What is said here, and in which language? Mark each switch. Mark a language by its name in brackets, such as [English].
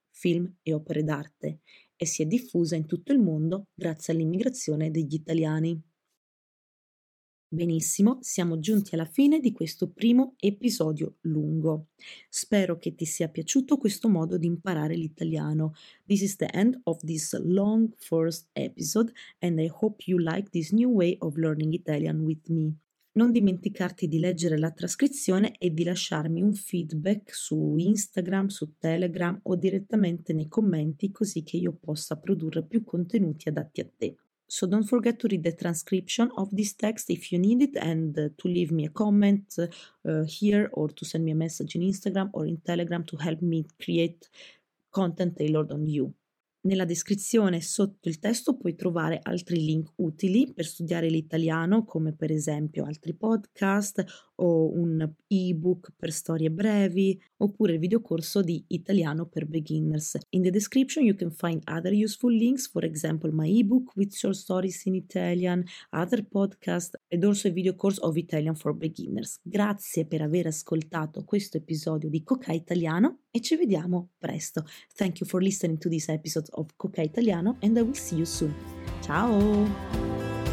[Italian] film e opere d'arte e si è diffusa in tutto il mondo grazie all'immigrazione degli italiani. Benissimo, siamo giunti alla fine di questo primo episodio lungo. Spero che ti sia piaciuto questo modo di imparare l'italiano. [English] This is the end of this long first episode and I hope you like this new way of learning Italian with me. [Italian] Non dimenticarti di leggere la trascrizione e di lasciarmi un feedback su Instagram, su Telegram o direttamente nei commenti così che io possa produrre più contenuti adatti a te. [English] So don't forget to read the transcription of this text if you need it and to leave me a comment here or to send me a message in Instagram or in Telegram to help me create content tailored on you. [Italian] Nella descrizione sotto il testo puoi trovare altri link utili per studiare l'italiano, come per esempio altri podcast o un ebook per storie brevi oppure il videocorso di Italiano per Beginners. [English] In the description you can find other useful links, for example my ebook with short stories in Italian, other podcast ed also il videocorso of Italian for Beginners. [Italian] Grazie per aver ascoltato questo episodio di Coca Italiano e ci vediamo presto. [English] Thank you for listening to this episode of Coca Italiano and I will see you soon. Ciao!